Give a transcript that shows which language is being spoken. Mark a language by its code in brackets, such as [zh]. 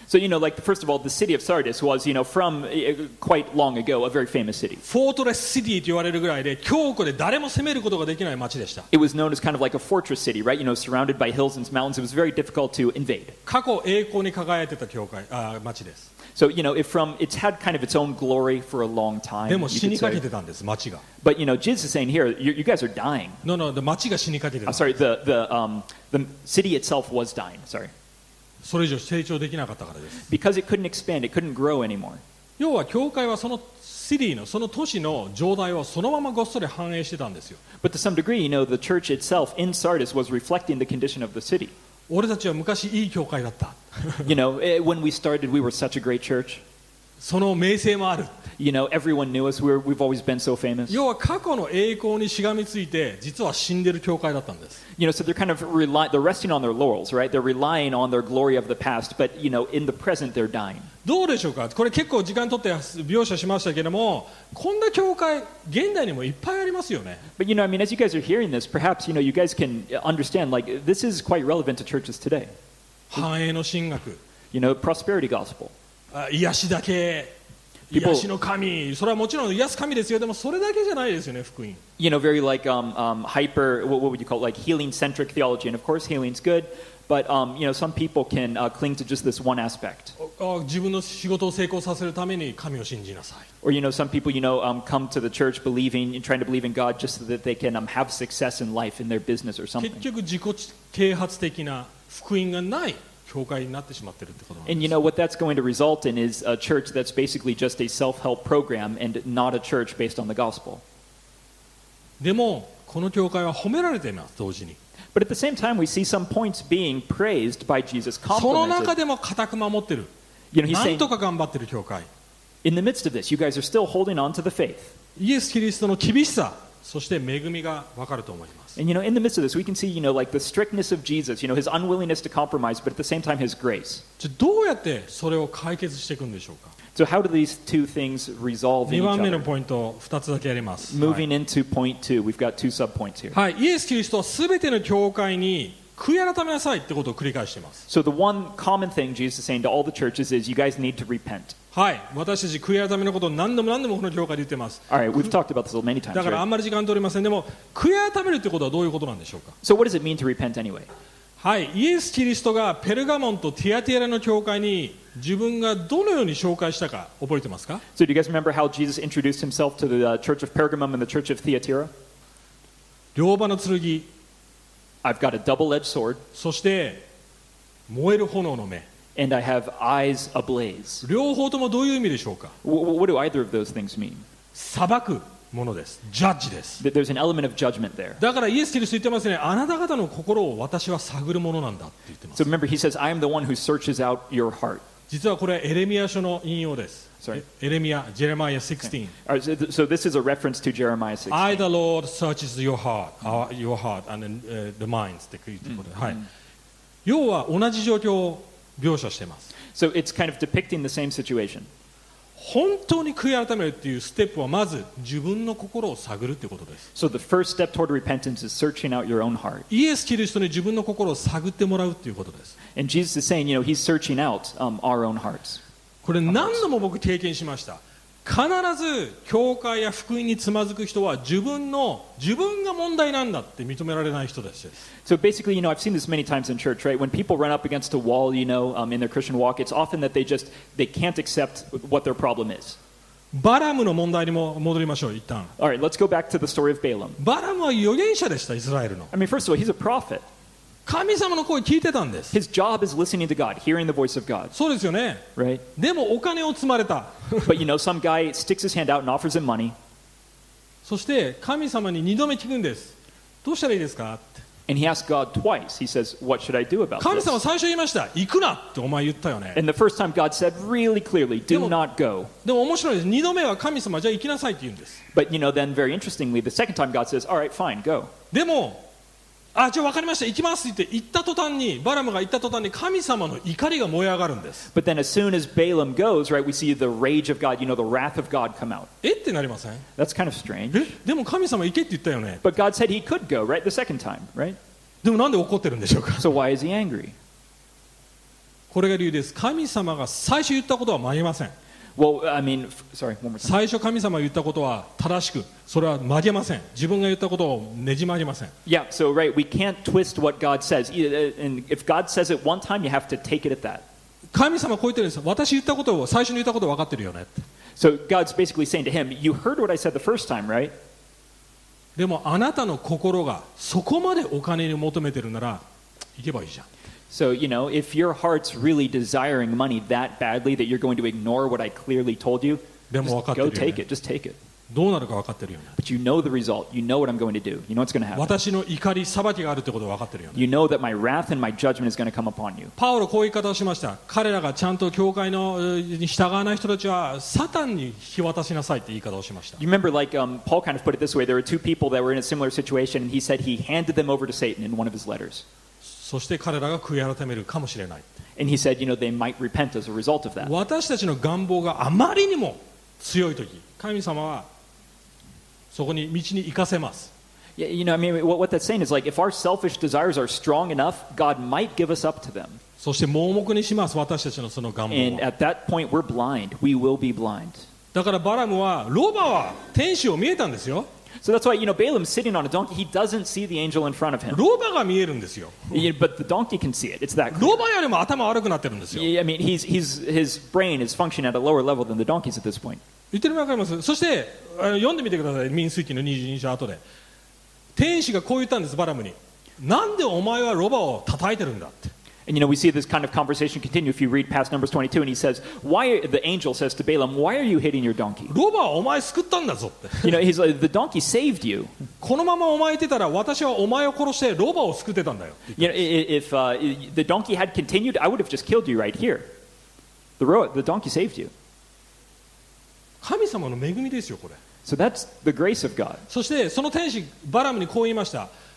[en] So, you know, like, first of all, the city of Sardis was, you know, from quite long ago, a very famous city. Fortress city [ja] と言われるぐらいで、強固で誰も攻めることができない町でした。 [en] It was known as kind of like a fortress city, right? You know, surrounded by hills and mountains. It was very difficult to invade. [ja] 過去栄光に輝いてた教会、あ、町です。 [en] So, you know, it's had kind of its own glory for a long time. [ja] でも死にかけてたんです、町が。 [en] But, you know, Jesus is saying here, you guys are dying. No, the [ja] 町が死にかけてたんです。 [en] I'm sorry, the city itself was dying, sorry. [ja] それ以上成長できなかったからです。 [en] Because it couldn't expand, it couldn't grow anymore. [ja] 要は教会はそのシティのその都市の状態をそのままごっそり反映してたんですよ。 [en] But to some degree, you know, the church itself in Sardis was reflecting the condition of the city. [ja] 俺たちは昔いい教会だった。 [en] You know, when we started, we were such a great church. [ja] その名声もある。 [en] You know, everyone knew us. We've always been so famous. [ja] 要は過去の栄光にしがみついて、実は死んでる教会だったんです。 [en] You know, so they're kind of relying, they're resting on their laurels, right? They're relying on their glory of the past, but you know, in the present, they're dying. [ja] どうでしょうか。これ結構時間取って描写しましたけども、こんな教会現代にもいっぱいありますよね。 [en] But you know, I mean, as you guys are hearing this, perhaps you know, you guys can understand like this is quite relevant to churches today. [ja] 繁栄の神学。 [en] You know, prosperity gospel. [ja] 癒しだけ。癒しの神、それはもちろん癒す神ですよ。でもそれだけじゃないですよね、福音。 [en] You know, very like hyper, what would you call it? Like healing-centric theology. And of course, healing's good, but you know, some people can cling to just this one aspect. [ja] 自分の仕事を成功させるために神を信じなさい。 [en] Or you know, some people, you know, come to the church believing and trying to believe in God just so that they can have success in life in their business or something. [ja] 結局自己啓発的な福音がない。教会になってしまってるってことなんです。 [en] And you know what that's going to result in is a church that's basically just a self-help program and not a church based on the gospel. [ja] でもこの教会は褒められています同時に。 [en] But at the same time we see some points being praised by Jesus. [ja] その中でも固く守ってる。 [en] You know, he's saying, [ja] なんとか頑張ってる教会。 [en] In the midst of this, you guys are still holding on to the faith. [ja] イエス・キリストの厳しさ、そして恵みが分かると思います。 [en] And you know, in the midst of this, we can see, you know, like the strictness of Jesus, you know, his unwillingness to compromise, but at the same time, his grace. [ja] どうやってそれを解決していくんでしょうか? [en] So how do these two things resolve each other? 2 [ja] 番目のポイント、2つだけあります。 [en] Moving into point two, we've got two sub-points here. [ja] はい、イエス・キリストはすべての教会に悔い改めなさいってことを繰り返しています。 [en] So the one common thing Jesus is saying to all the churches is, you guys need to repent. [ja] はい、私たち悔い改めのことを何度も何度もこの教会で言ってます。 [en] All right, we've talked about this many times. [ja] だからあんまり時間取りません。でも悔い改めるってことはどういうことなんでしょうか。 [en] So what does it mean to repent anyway? [ja] はい、イエス・キリストがペルガモンとティアティラの教会に自分がどのように紹介したか覚えてますか。 [en] So do you guys remember how Jesus introduced himself to the church of Pergamum and the church of Thyatira? [ja] 両刃の剣、 [en] I've got a double-edged sword. [ja] そして燃える炎の目。 [en] And I have eyes ablaze. [ja] 両方ともどういう意味でしょうか? [en] What do either of those things mean? [ja] 裁くものです。ジャッジです。 [en] There's an element of judgment there. [ja] だからイエス・キリスト言ってますね。あなた方の心を私は探るものなんだって言ってます。 [en] So remember, he says, I am the one who searches out your heart. [ja] 実はこれはエレミア書の引用です。 [en] Sorry. [ja] エレミア、ジェレマイア16. [en] Okay. Right, so this is a reference to Jeremiah 16. I, the Lord, searches your heart and the minds. [ja] って言ってことで。はい。要は同じ状況を描写してます。 [en] So it's kind of depicting the same situation. [ja] 本当に悔い改めるっていうステップはまず自分の心を探るっていうことです。 [en] So the first step toward repentance is searching out your own heart. [ja] イエス・キリストに自分の心を探ってもらうっていうことです。 [en] And Jesus is saying, you know, he's searching out our own hearts. [ja] これ何度も僕経験しました。必ず教会や福音につまずく人は自分が問題なんだって認められない人たちです。 [en] So basically, you know, I've seen this many times in church, right? When people run up against a wall, you know, in their Christian walk, it's often that they can't accept what their problem is. [ja] バラムの問題にも戻りましょう、一旦。 [en] All right, let's go back to the story of Balaam. [ja] バラムは預言者でした、イスラエルの。 [en] I mean, first of all, he's a prophet. [ja] 神様の声聞いてたんです。 [en] His job is listening to God, hearing the voice of God. [ja] そうですよね。 [en] Right? [ja] でもお金を積まれた。 [en] But you know, some guy sticks his hand out and offers him money. [ja] そして神様に二度目聞くんです。どうしたらいいですか? [en] And he asked God twice. He says, "What should I do about this?" [ja] 神様最初言いました。行くなってお前言ったよね。 [en] And the first time, God said really clearly, "Do not go." [ja] でも面白いです。二度目は神様じゃあ行きなさいって言うんです。 [en] But you know, then very interestingly, the second time, God says, "All right, fine, go." [ja] でも、あ、じゃあ分かりました。行きますって言った途端に、バラムが言った途端に神様の怒りが燃え上がるんです。 [en] But then as soon as Balaam goes, right, we see the rage of God, you know, the wrath of God come out. [ja] え?ってなりません? [en] That's kind of strange. [ja] え? でも神様行けって言ったよね。 [en] But God said he could go, right, the second time, right? [ja] でもなんで怒ってるんでしょうか? [en] So why is he angry? [ja] これが理由です。神様が最初言ったことは間に合いません。 [en] Well, I mean, sorry, one more time. [ja] 最初神様が言ったことは正しく、それは曲げません。自分が言ったことをねじ曲げません。 [en] Yeah, so right, we can't twist what God says. And if God says it one time, you have to take it at that. [ja] 神様こう言ってるんです。私言ったことを、最初に言ったことを分かってるよね。 [en] So God's basically saying to him, you heard what I said the first time, right? [ja] でもあなたの心がそこまでお金に求めてるなら、行けばいいじゃん。 [en] So, you know, if your heart's really desiring money that badly that you're going to ignore what I clearly told you, just go take it. Just take it. [ja] どうなるか分かってるよね。 [en] But you know the result. You know what I'm going to do. You know what's going to happen. [ja] 私の怒り、裁きがあるってことは分かってるよね。 [en] You know that my wrath and my judgment is going to come upon you. [ja] パウロこう言い方をしました。彼らがちゃんと教会のに従わない人たちはサタンに引き渡しなさいって言い方をしました。 [en] You remember like Paul kind of put it this way. There were two people that were in a similar situation and he said he handed them over to Satan in one of his letters. [ja] そして彼らが悔い改めるかもしれない。 [en] And he said, you know, they might repent as a result of that. [ja] 私たちの願望があまりにも強いとき、神様はそこに道に行かせます。 [en] Yeah, you know, I mean, what that's saying is like, if our selfish desires are strong enough, God might give us up to them. [ja] そして盲目にします、私たちのその願望は。 [en] And at that point, we're blind. We will be blind. [ja] だからバラムは、ロバは天使を見えたんですよ。 [en] So that's why, you know, Balaam's sitting on a donkey. He doesn't see the angel in front of him. [ja] ロバが見えるんですよ。 [en] Yeah, but the donkey can see it. It's that clear. [ja] ロバよりも頭悪くなってるんですよ。 [en] Yeah, I mean, his brain is functioning at a lower level than the donkey's at this point. [ja] 言ってるわかります。そして、読んでみてください。民数記の22章後で。天使がこう言ったんです、バラムに。なんでお前はロバを叩いてるんだって。 [en] And you know, we see this kind of conversation continue if you read past Numbers 22, and he says, why, the angel says to Balaam, why are you hitting your donkey? [ja] ロバはお前救ったんだぞって。 [en] You know, he's like, the donkey saved you. [ja] このままお前いてたら私はお前を殺してロバを救ってたんだよ。 [en] You know, if the donkey had continued, I would have just killed you right here. The donkey saved you. [ja] 神様の恵みですよ、これ。 [en] So that's the grace of God. [ja] そしてその天使、バラムにこう言いました。